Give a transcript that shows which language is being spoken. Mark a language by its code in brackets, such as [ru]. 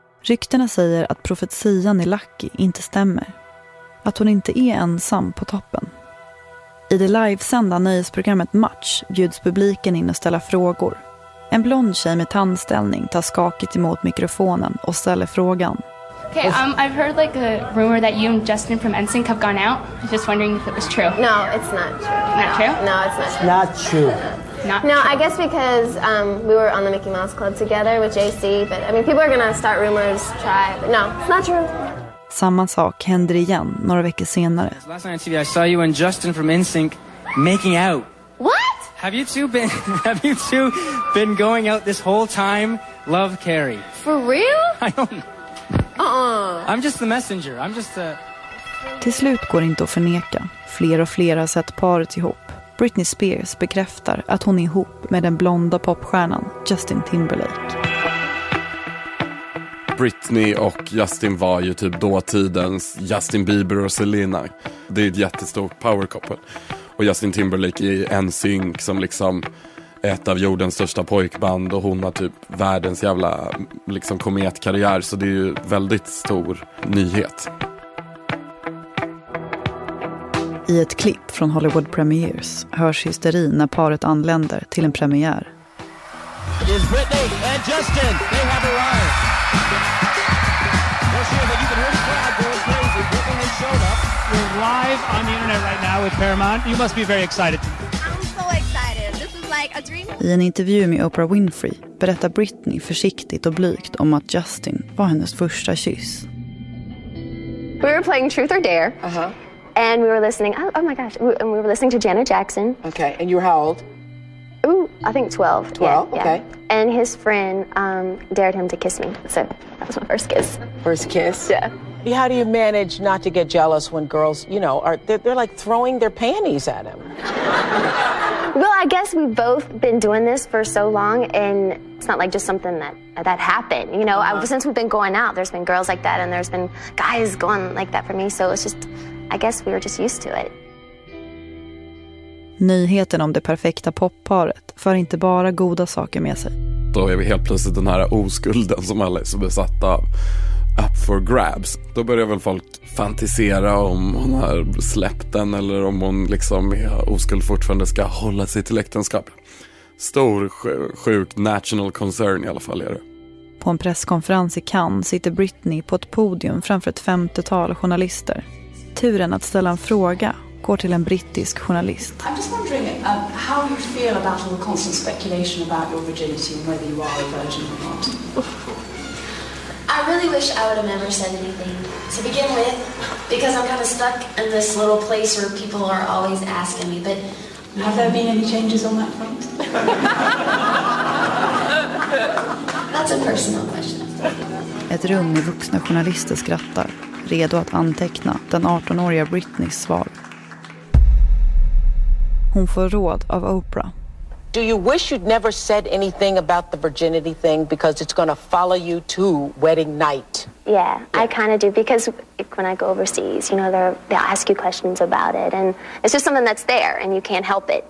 [sv] Ryktena säger att profetian i Lucky inte stämmer. Att hon inte är ensam på toppen. I det livesända nöjesprogrammet Match bjuds publiken in och ställa frågor. En blond tjej med tandställning tar skakigt emot mikrofonen och ställer frågan. [en] Okay, I've heard like a rumor that you and Justin from NSYNC have gone out. I'm just wondering if it was true. No, it's not true. Not true? No, it's not true. Not true. No, I guess because we were on the Mickey Mouse Club together with JC, but I mean people are gonna start rumors, try, but no, it's not true. [sv] Samma sak händer igen några veckor senare. [en] Last night on TV I saw you and Justin from NSYNC making out. What? Have you two been going out this whole time? Love, Carrie. For real? I don't. I'm just the messenger. I'm just a... [sv] Till slut går det inte att förneka. Fler och fler har sett paret ihop. Britney Spears bekräftar att hon är ihop med den blonda popstjärnan Justin Timberlake. Britney och Justin var ju typ dåtidens Justin Bieber och Selena. Det är ett jättestort power couple. Och Justin Timberlake är NSYNC som liksom ett av jordens största pojkband. Och hon har typ världens jävla liksom kometkarriär. Så det är ju väldigt stor nyhet. I ett klipp från Hollywood Premieres hörs hysterin när paret anländer till en premiär. [en] is Brittany and Justin. They have arrived. Well, sure, but you can hear the crowd going crazy. Brittany has showed up. We're live on the internet right now with Paramount. You must be very excited. [sv] I en intervju med Oprah Winfrey berättar Britney försiktigt och blygt om att Justin var hennes första kyss. [en] We were playing Truth or Dare. Uh-huh. And we were listening, oh my gosh, and we were listening to Janet Jackson. Okay, and you were how old? Ooh, I think 12. 12, yeah, okay. Yeah. And his friend dared him to kiss me, so that was my first kiss. First kiss? Yeah. How do you manage not to get jealous when girls, you know, are they're like throwing their panties at him? Well, I guess we've both been doing this for so long, and it's not like just something that happened. You know, uh-huh. Since we've been going out, there's been girls like that, and there's been guys going like that for me. So it's just, I guess we were just used to it. [sv] Nyheten om det perfekta popparet för inte bara goda saker med sig. Då är vi helt plötsligt den här oskulden som alla är så besatta av. [en] Up for grabs. [sv] Då börjar väl folk fantisera om hon har släppt den eller om hon liksom är oskuld fortfarande ska hålla sig till äktenskap. Stor, sjuk [en] national concern [sv] i alla fall är det. På en presskonferens i Cannes sitter Britney på ett podium framför ett 50-tal journalister. Turen att ställa en fråga går till en brittisk journalist. [en] I'm just wondering how you feel about all the constant speculation about your virginity and whether you are a virgin or not. I really wish I would have never said anything to begin with, because I'm kind of stuck in this little place where people are always asking me, but have there been any changes on that front? That's a personal question. [sv] Ett rum med vuxna journalister skrattar, redo att anteckna den 18-åriga Britneys svar. Hon får råd av Oprah. [en] Do you wish you'd never said anything about the virginity thing, because it's going to follow you to wedding night? Yeah, I kind of do, because when I go overseas, you know, they'll ask you questions about it, and it's just something that's there and you can't help it.